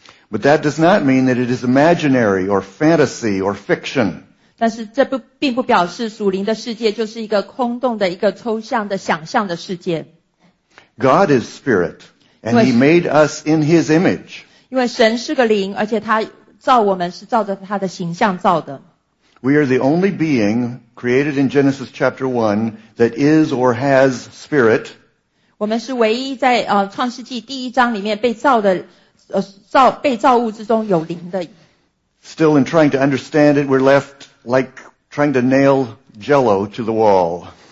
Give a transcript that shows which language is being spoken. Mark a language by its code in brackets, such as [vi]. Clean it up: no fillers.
[en] But that does not mean that it is imaginary or fantasy or fiction. [zh] 但是这并不表示属灵的世界就是一个空洞的一个抽象的想象的世界。 [en] God is spirit, and He made us in His image. [zh] 因为神是个灵，而且他造我们是照着他的形象造的。 [en] We are the only being created in Genesis chapter 1 that is or has spirit. [zh] 我们是唯一在创世纪第一章里面被造的被造物之中有灵的。 [en] Still in trying to understand it, we're left like trying to nail jello to the wall.